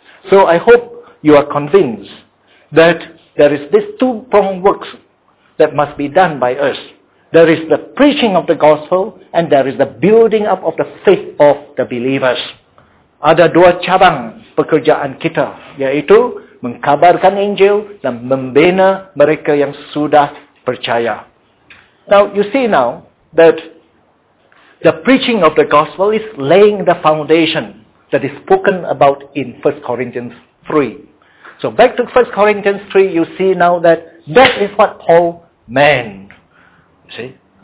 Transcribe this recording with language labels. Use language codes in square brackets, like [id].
[en] So I hope you are convinced that there is this two-pronged works that must be done by us. There is the preaching of the gospel and there is the building up of the faith of the believers. [ms] Ada dua cabang pekerjaan kita, yaitu mengkabarkan Injil dan membina mereka yang sudah percaya. [en] Now, you see now that the preaching of the gospel is laying the foundation that is spoken about in 1 Corinthians 3. So back to 1 Corinthians 3, you see now that is what Paul meant. You see?